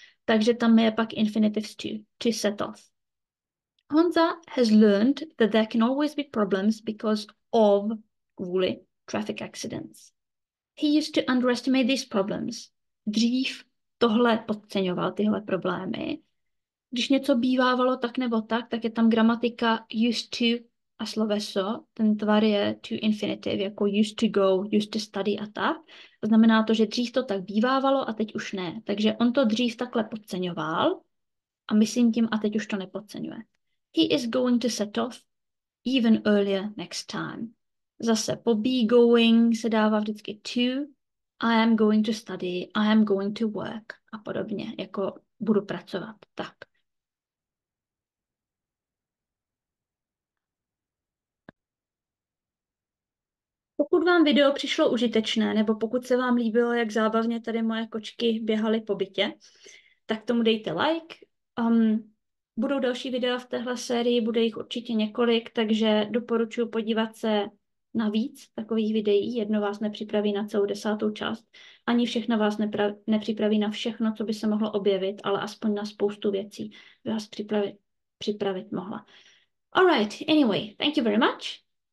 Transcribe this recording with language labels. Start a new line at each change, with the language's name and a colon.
Czech: Takže tam je pak infinitive
English: to set off. Honza has learned that there can always be problems because of
Czech: kvůli
English: traffic accidents. He used to underestimate these problems.
Czech: Dřív tohle podceňoval, tyhle problémy. Když něco bývávalo tak nebo tak, tak je tam gramatika used to a sloveso. Ten tvar je to infinitive, jako
English: used to go, used to study
Czech: a tak. Znamená to, že dřív to tak bývávalo a teď už ne. Takže on to dřív takhle podceňoval a myslím tím a teď už to nepodceňuje.
English: He is going to set off even earlier next time.
Czech: Zase po be going se dává vždycky to.
English: I am going to study, I am going to work
Czech: a podobně, jako budu pracovat, tak. Pokud vám video přišlo užitečné, nebo pokud se vám líbilo, jak zábavně tady moje kočky běhaly po bytě, tak tomu dejte like. Budou další videa v téhle sérii, bude jich určitě několik, takže doporučuji podívat se navíc takových videí, jedno vás nepřipraví na celou desátou část, ani všechno vás nepřipraví na všechno, co by se mohlo objevit, ale aspoň na spoustu věcí by vás připravit mohla.
English: Alright, anyway, thank you very much.